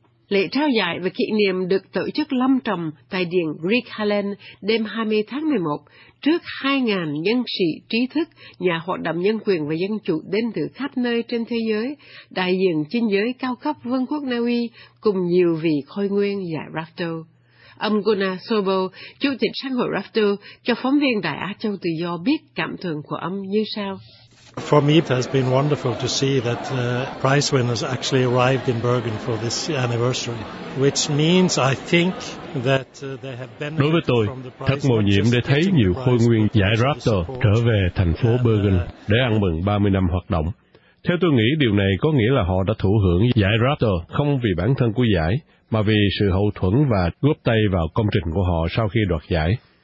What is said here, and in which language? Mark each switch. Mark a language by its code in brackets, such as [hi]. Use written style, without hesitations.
[vi] Lễ trao giải và kỷ niệm được tổ chức long trọng tại điện Rick Haaland đêm 20 tháng 11 trước 2.000 nhân sĩ trí thức, nhà hoạt động nhân quyền và dân chủ đến từ khắp nơi trên thế giới, đại diện chính giới cao cấp Vương quốc Na Uy cùng nhiều vị khôi nguyên giải Rafto. Ông Gunnar Sobo, chủ tịch Sáng hội Rafto, cho phóng viên Đài Á Châu Tự Do biết cảm tưởng của ông như sau. [en] For me, it has been wonderful to see that prize winners actually arrived in Bergen for this anniversary, which means, I think, that they have benefited. [vi] Đối với tôi, thật mầu nhiệm để thấy nhiều khôi nguyên giải Rafto trở về thành phố Bergen để ăn mừng 30 năm hoạt động. Theo tôi nghĩ, điều này có nghĩa là họ đã thụ hưởng giải Rafto không vì bản thân của giải, mà vì sự hậu thuẫn và góp tay vào công trình của họ sau khi đoạt giải.